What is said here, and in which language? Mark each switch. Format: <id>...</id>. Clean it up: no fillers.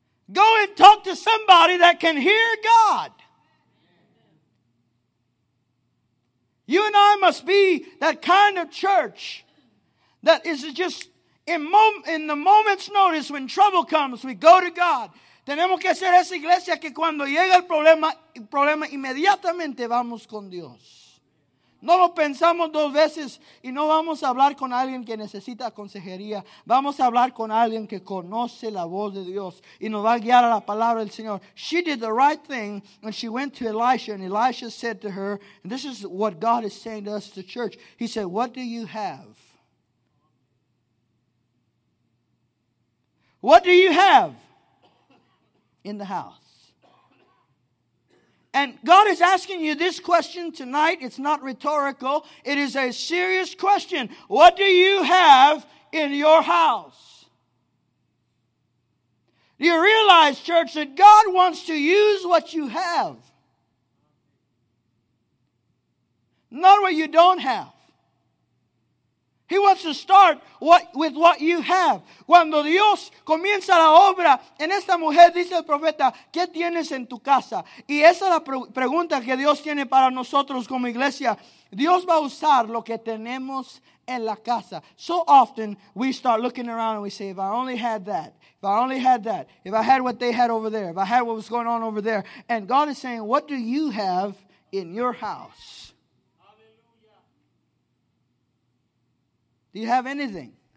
<en>Go and talk to somebody that can hear God. You and I must be that kind of church that is just in the moment's notice when trouble comes, we go to God.</en> <es>Tenemos que ser esa iglesia que cuando llega el problema inmediatamente vamos con Dios. No lo pensamos dos veces y no vamos a hablar con alguien que necesita consejería. Vamos a hablar con alguien que conoce la voz de Dios y nos va a guiar a la palabra del Señor.</es> <en>She did the right thing and she went to Elisha, and Elisha said to her, and this is what God is saying to us, the church. He said, what do you have? What do you have in the house? And God is asking you this question tonight. It's not rhetorical. It is a serious question. What do you have in your house? Do you realize, church, that God wants to use what you have? Not what you don't have. He wants to start with what you have.</en> <es>Cuando Dios comienza la obra, en esta mujer dice el profeta, ¿qué tienes en tu casa? Y esa es la pregunta que Dios tiene para nosotros como iglesia. Dios va a usar lo que tenemos en la casa.</es> <en>So often we start looking around and we say, if I only had that, if I only had that, if I had what they had over there, if I had what was going on over there. And God is saying, what do you have in your house? Do you have anything?</en>